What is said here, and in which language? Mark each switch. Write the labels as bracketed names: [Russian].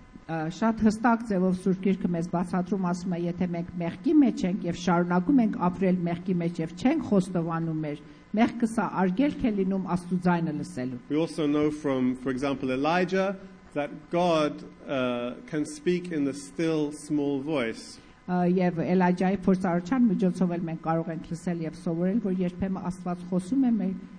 [Armenian] Շատ հստակ ձևով Սուրբ Գիրքը մեզ բացատրում ասում է, եթե մենք մեղքի մեջ ենք եւ շարունակում ենք ապրել մեղքի մեջ եւ չենք խոստովանում մեր մեղքը սա արգելք է լինում Աստծո ձայնը լսելու։ [English] We also know from, for example, Elijah that God can speak in the still small voice. [Armenian] Եվ Էլայջայի փորձառության միջոցով էլ մենք կարող ենք լսել եւ սովորել, որ երբեմն Աստված խոսում է մեր